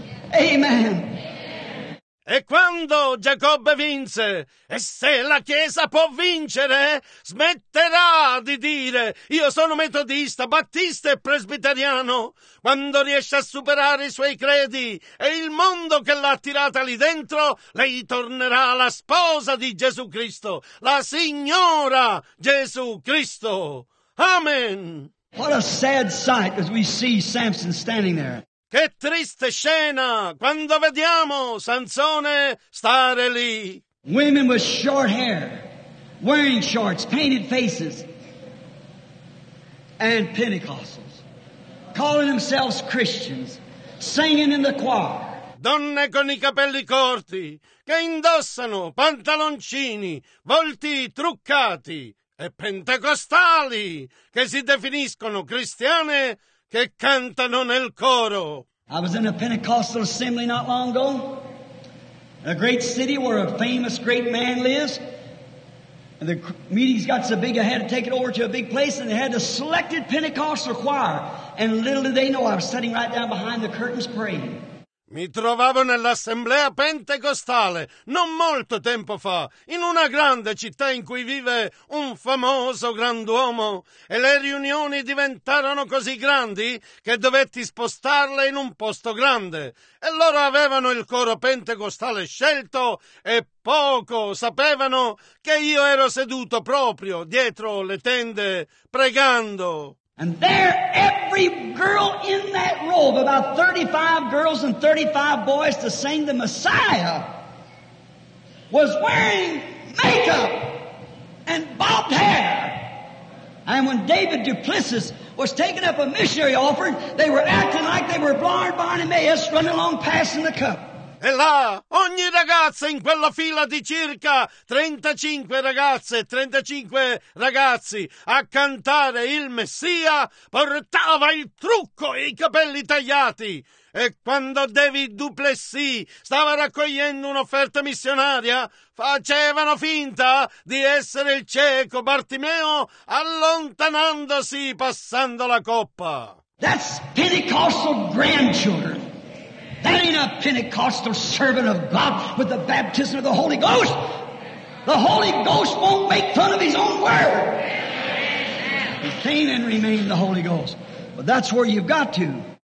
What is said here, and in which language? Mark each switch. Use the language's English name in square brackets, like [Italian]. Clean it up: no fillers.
[Italian] Amen. E quando Giacobbe vinse, e se la Chiesa può vincere, smetterà di dire «Io sono metodista, battista e presbiteriano». Quando riesce a superare i suoi credi e il mondo che l'ha attirata lì dentro, lei tornerà la sposa di Gesù Cristo, la Signora Gesù Cristo. Amen! [English] What a sad sight as we see Samson standing there. [Italian] Che triste scena quando vediamo Sansone stare lì. [English] Women with short hair, wearing shorts, painted faces, and Pentecostals, calling themselves Christians, singing in the choir. [Italian] Donne con i capelli corti, che indossano pantaloncini, volti truccati, e pentecostali, che si definiscono cristiane, che cantano nel coro. [English] I was in a Pentecostal assembly not long ago, a great city where a famous great man lives, and the meetings got so big I had to take it over to a big place, and they had a selected Pentecostal choir, and little did they know I was sitting right down behind the curtains praying. [Italian] Mi trovavo nell'assemblea pentecostale non molto tempo fa, in una grande città in cui vive un famoso grand'uomo, e le riunioni diventarono così grandi che dovetti spostarle in un posto grande, e loro avevano il coro pentecostale scelto e poco sapevano che io ero seduto proprio dietro le tende pregando. [English] And there, every girl in that robe, about 35 girls and 35 boys to sing the Messiah, was wearing makeup and bobbed hair. And when David Duplessis was taking up a missionary offering, they were acting like they were blind Bartimaeus running along passing the cup. [Italian] E là, ogni ragazza in quella fila di circa 35 ragazze e 35 ragazzi a cantare il Messia portava il trucco e i capelli tagliati. E quando David Duplessis stava raccogliendo un'offerta missionaria, facevano finta di essere il cieco Bartimeo, allontanandosi passando la coppa. [English] That's Pentecostal grandchildren. That ain't a Pentecostal servant of God with the baptism of the Holy Ghost. The Holy Ghost won't make fun of his own word. He came and remained the Holy Ghost. That's where you've got to.